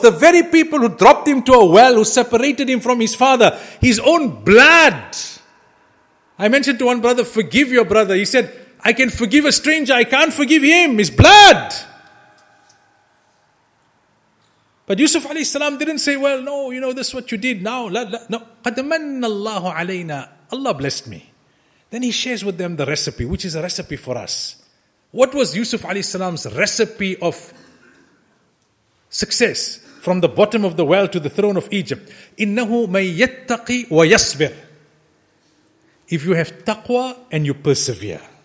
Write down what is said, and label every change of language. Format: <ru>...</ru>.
<en>The very people who dropped him to a well, who separated him from his father. His own blood I mentioned to one brother, forgive your brother. He said, I can forgive a stranger, I can't forgive him, his blood. But Yusuf alayhi salam didn't say, well, no, you know, this is what you did now.</en> <ar>No, قَدْ مَنَّ اللَّهُ عَلَيْنَا.</ar> <en>Allah blessed me. Then he shares with them the recipe, which is a recipe for us. What was Yusuf alayhi salam's recipe of success from the bottom of the well to the throne of Egypt?</en> <ar>إِنَّهُ مَنْ يَتَّقِي وَيَصْبِرْ.</ar> <en>If you have taqwa and you persevere.</en>